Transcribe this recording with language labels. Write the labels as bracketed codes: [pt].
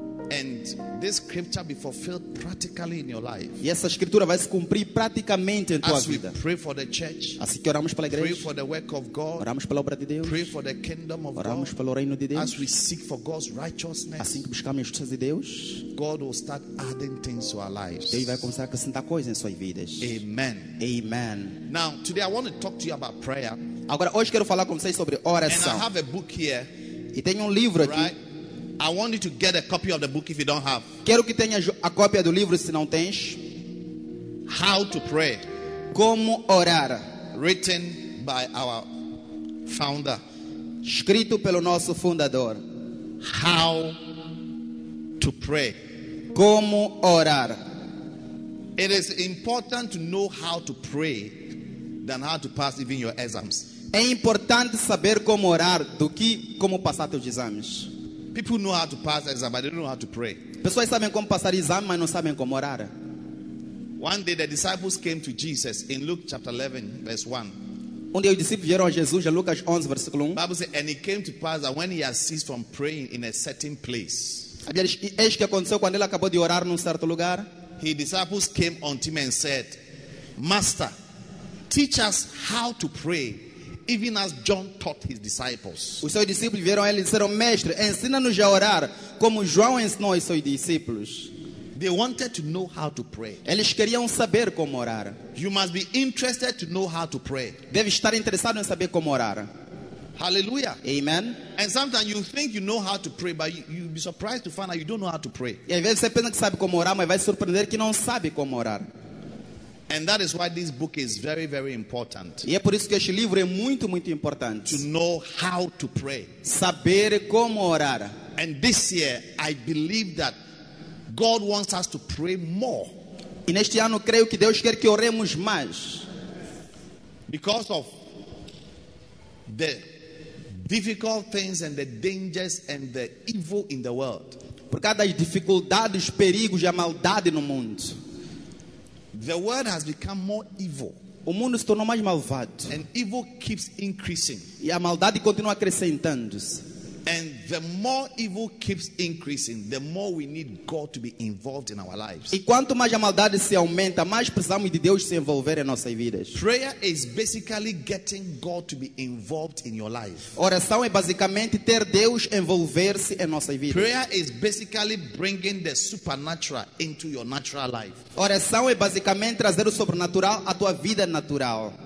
[en] And this scripture be fulfilled practically in your life. [pt] E essa escritura vai se cumprir praticamente em tua [en] As [pt] vida. [en] We pray for the church, [pt] assim que oramos pela igreja, [en] pray for the work of God, [pt] oramos pela obra de Deus, [en] pray for the kingdom of [pt] oramos [en] God, [pt] pelo reino de Deus, [en] as we seek for God's righteousness, [pt] assim que buscamos a justiça de Deus, [en] God will start adding things to our lives. [pt] Deus vai começar a acrescentar coisas em suas vidas. [en] Amen. [pt] Amen. [en] Now, today I want to talk to you about prayer. [pt] Agora hoje quero falar com vocês sobre oração. [en] And I have a book here. [pt] E tenho livro aqui. [en] Right? I want you to get a copy of the book if you don't have. [pt] Quero que tenha a cópia do livro se não tens. [en] How to pray. [pt] Como orar. [en] Written by our founder. [pt] Escrito pelo nosso fundador. [en] How to pray. [pt] Como orar. [en] It is important to know how to pray than how to pass even your exams. [pt] É importante saber como orar do que como passar teus exames. [en] People know how to pass exam, but they don't know how to pray. [pt] Pessoas sabem como passar exame, mas não sabem como orar. [en] One day the disciples came to Jesus in Luke chapter 11, verse 1. [pt] Um dia os discípulos vieram a Jesus, em Lucas 11, versículo 1. [en] The Bible says, and it came to pass that when he had ceased from praying in a certain place. [pt] A Bíblia diz, eis que aconteceu quando ele acabou de orar num certo lugar. [en] His disciples came unto him and said, Master, teach us how to pray. Even as John taught his disciples. [pt] Os seus discípulos vieram a ele e disseram, Mestre, ensina-nos a orar, como João ensinou aos seus discípulos. [en] They wanted to know how to pray. [pt] Eles queriam saber como orar. [en] You must be interested to know how to pray. [pt] Deve estar interessado em saber como orar. [en] Hallelujah. [pt] Amen. [en] And sometimes you think you know how to pray, but you'll be surprised to find out you don't know how to pray. [pt] E às vezes você pensa que sabe como orar, mas vai surpreender que não sabe como orar. [en] And that is why this book is very, very important. [pt] E é por isso que este livro é muito, muito importante. [en] To know how to pray. [pt] Saber como orar. [en] And this year, I believe that God wants us to pray more. [pt] E neste ano, creio que Deus quer que oremos mais. [en] Because of the difficult things and the dangers and the evil in the world. [pt] Por causa das dificuldades, perigos e a maldade no mundo. [en] The world has become more evil. [pt] O mundo se tornou mais malvado. [en] And evil keeps increasing. [pt] E a maldade continua acrescentando-se. [en] And the more evil keeps increasing, the more we need God to be involved in our lives. [pt] E quanto mais a maldade se aumenta, mais precisamos de Deus se envolver em nossas vidas. [en] Prayer is basically getting God to be involved in your life. [pt] Oração é basicamente ter Deus envolver-se em nossas vidas. [en] Prayer is basically bringing the supernatural into your natural life. [pt] Oração é basicamente trazer o sobrenatural à tua vida natural.